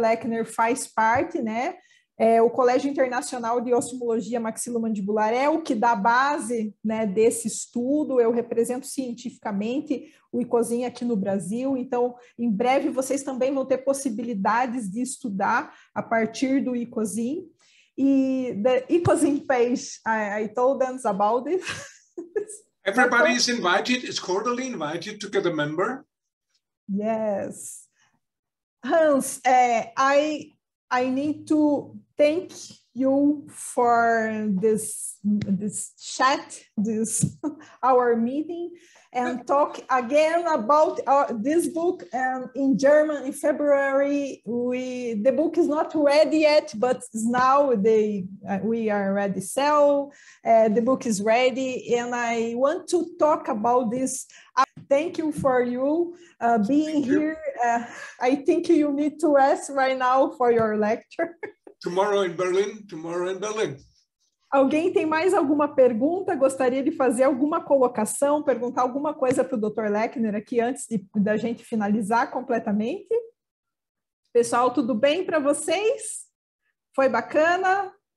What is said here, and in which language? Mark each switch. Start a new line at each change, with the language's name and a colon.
Portuguese: Lechner faz parte, né? O Colégio Internacional de Osteomologia Maxilomandibular é o que dá base, né, desse estudo. Eu represento cientificamente o ICOZIN aqui no Brasil. Então, em breve, vocês também vão ter possibilidades de estudar a partir do ICOZIN.
English: E the ICOZIN page, I told them about it. Everybody is invited, is cordially invited to get a member. Yes. Hans, I need to thank you for this chat, this our meeting, and talk again about this book in German in February. The book is not ready yet, but now we are ready to sell. The book is ready, and I want to talk about this. Thank you for you being here. I think you need to rest right now for your lecture. Tomorrow in Berlin.
Portuguese: Alguém tem mais alguma pergunta? Gostaria de fazer alguma colocação, perguntar alguma coisa para o Dr. Lechner aqui antes da gente finalizar completamente? Pessoal, tudo bem para vocês? Foi bacana?